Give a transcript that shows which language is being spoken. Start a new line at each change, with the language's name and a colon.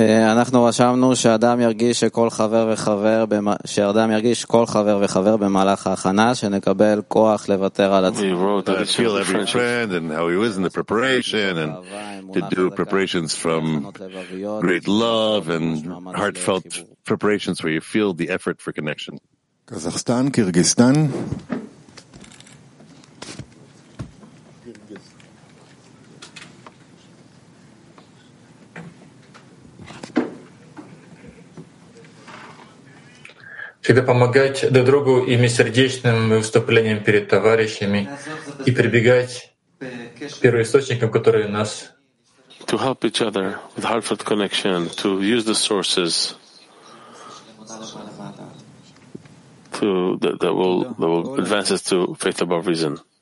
Hebrew: אנחנו רשמנו שאדם ירגיש כל חבר וחבר שאדם ירגיש כל חבר וחבר במהלך ההכנה שנקבל כוח לוותר על עצמו.
English: We wrote that feel every friend and how he was in the preparation and to do preparations from great love and heartfelt preparations where you feel the effort for connection. Kazakhstan, Kyrgyzstan.
Russian: Когда помогать друг другу ими сердечным выступлением перед товарищами и прибегать к первоисточникам, которые у нас.
English: To help each other with heartfelt connection, to use the sources to that will advance us to faith above reason.